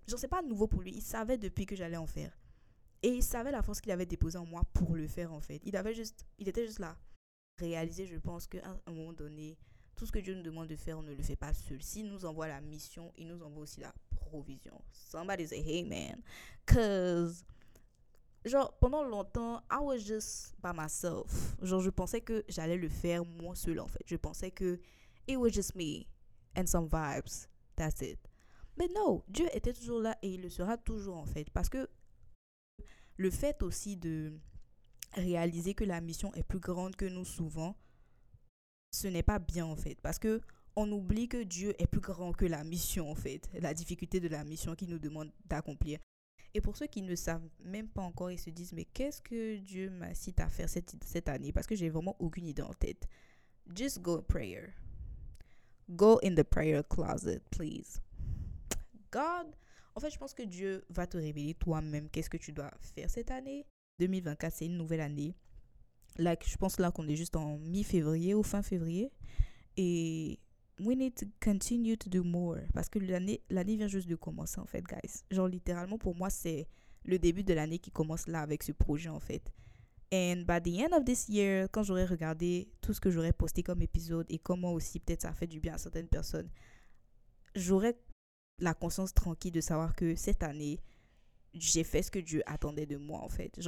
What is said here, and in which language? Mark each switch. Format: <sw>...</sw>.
<fr>Genre, c'est pas nouveau pour lui. Il savait depuis que j'allais en faire. Et il savait la force qu'il avait déposée en moi pour le faire, en fait. Il était juste là. Réaliser, je pense, qu'à un moment donné, tout ce que Dieu nous demande de faire, on ne le fait pas seul. S'il nous envoie la mission, il nous envoie aussi la provision.</fr> <en>Somebody say amen. Cause,</en> <fr>genre, pendant longtemps,</fr> <en>I was just by myself.</en> <fr>Genre, je pensais que j'allais le faire moi seul, en fait. Je pensais que</fr> <en>it was just me and some vibes. That's it.</en> <fr>Mais non, Dieu était toujours là et il le sera toujours en fait. Parce que le fait aussi de réaliser que la mission est plus grande que nous souvent, ce n'est pas bien en fait. Parce que on oublie que Dieu est plus grand que la mission en fait, la difficulté de la mission qu'il nous demande d'accomplir. Et pour ceux qui ne savent même pas encore, ils se disent, mais qu'est-ce que Dieu m'incite à faire cette année? Parce que j'ai vraiment aucune idée en tête.</fr> <en>Just go prayer. Go in the prayer closet, please.</en> <fr>God, en fait, je pense que Dieu va te révéler toi-même qu'est-ce que tu dois faire cette année. 2024, c'est une nouvelle année. Là, je pense là qu'on est juste en mi-février ou fin février.</fr> <en>Et we need to continue to do more.</en> <fr>Parce que l'année vient juste de commencer, en fait, guys. Genre, littéralement, pour moi, c'est le début de l'année qui commence là avec ce projet, en fait.</fr> <en>And by the end of this year,</en> <fr>quand j'aurai regardé tout ce que j'aurai posté comme épisode et comment aussi peut-être ça fait du bien à certaines personnes, j'aurai la conscience tranquille de savoir que cette année, j'ai fait ce que Dieu attendait de moi, en fait.</fr>